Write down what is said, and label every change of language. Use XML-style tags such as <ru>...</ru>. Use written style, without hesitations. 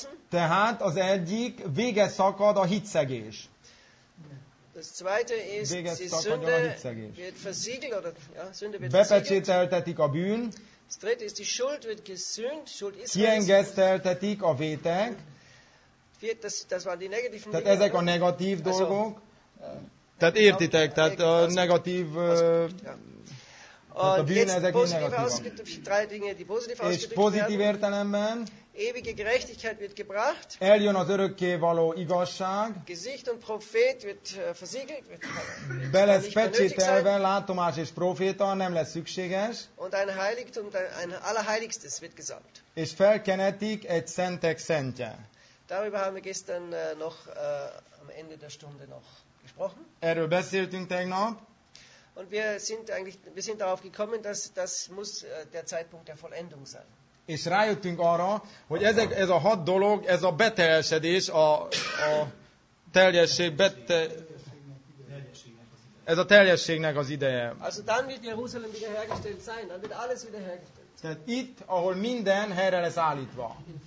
<hu>Tehát az egyik, vége szakad a hitszegés.</hu> <de>Das zweite ist,</de> <hu>vége szakad a hitszegés.</hu> <de>Wird versiegelt, oder, ja, Sünde wird</de> <hu>bepecsételtetik a bűn.</hu> <de>Das dritte ist, die Schuld wird gesühnt. Schuld ist</de> <hu>kiengeszteltetik a vétek.</hu> <de>Das waren die negativen.</de> <hu>Tehát ezek a negatív dolgok. Tehát értitek, tehát a negatív... Tehát a bűn ezek negatívan. És pozitív értelemben</hu> <de>ewige Gerechtigkeit wird gebracht.</de> <hu>Eljön az örökké való igazság.</hu> <de>Gesicht und Prophet wird versiegelt.</de> <hu>Be lesz pecsételve, látomás és proféta, nem lesz szükséges.</hu> <de>Und ein Heiligtum, ein Allerheiligstes wird gesandt.</de> <hu>És felkenetik egy szentek szentje.</hu> <de>Darüber haben wir gestern noch am Ende der Stunde noch gesprochen.</de> <hu>Erről beszéltünk tegnap.</hu> <de>Und wir sind darauf gekommen, dass das muss der Zeitpunkt der Vollendung sein.</de> <hu>És rájöttünk arra, hogy ez a hat dolog, ez a beteljesedés, a teljesség, ez a teljességnek az ideje.</hu> <de>Also dann wird Jerusalem wiederhergestellt sein, dann wird alles wiederhergestellt.</de> <hu>Tehát itt, ahol minden helyre lesz állítva.</hu>